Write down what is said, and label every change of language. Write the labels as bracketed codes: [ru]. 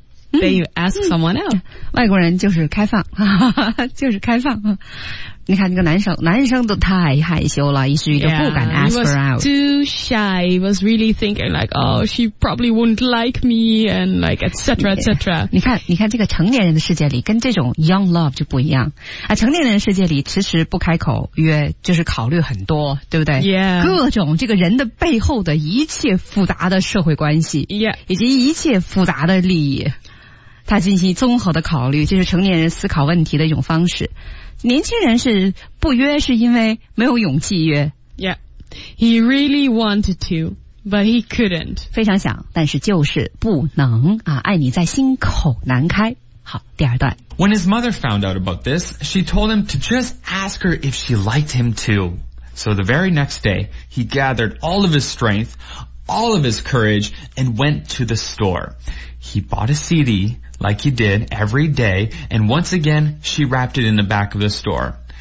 [en] Then you ask someone else. [zh] 外国人就是开放，就是开放。你看那个男生都太害羞了，以至于都不敢 [en] ask her out. Yeah, he was too shy. He was really thinking like, oh, she probably wouldn't like me and like, et cetera, et cetera. [zh] 你看这个成年人的世界里跟这种 [en] young love [zh] 就不一样。啊，成年人的世界里迟迟不开口约就是考虑很多，对不对？ [en] Yeah. [zh] 各种这个人的背后的一切复杂的社会关系。 [en] Yeah. [zh] 以及一切复杂的利益。他进行综合的考虑，这是成年人思考问题的一种方式。年轻人是不约，是因为没有勇气约。 [en] Yeah, he really wanted to, but he couldn't. [zh] 非常想，但是就是不能啊！爱你在心口难开。好，第二段。 [en] When his mother found out about this, she told him to just ask her if she liked him too. So the very next day, he gathered all of his strength, all of his courage, and went to the store. He bought a CD. Like he did every day, and once again, she wrapped it in the back of the store.